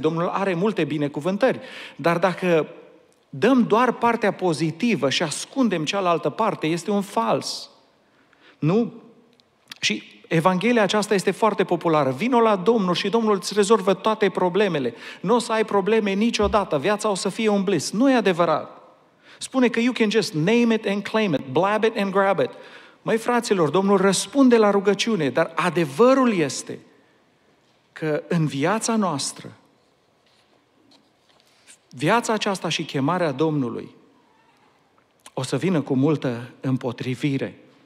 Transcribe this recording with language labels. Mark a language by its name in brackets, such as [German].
[Romanian] Domnul are multe binecuvântări. Dar dacă dăm doar partea pozitivă și ascundem cealaltă parte, este un fals. Nu? Și Evanghelia aceasta este foarte populară. Vino la Domnul și Domnul îți rezolvă toate problemele. Nu o să ai probleme niciodată. Viața o să fie un bliss. Nu e adevărat. Spune că [English] you can just name it and claim it, blab it and grab it. [Romanian] Măi, fraților, Domnul răspunde la rugăciune, dar adevărul este că în viața noastră, viața aceasta și chemarea Domnului o să vină cu multă împotrivire.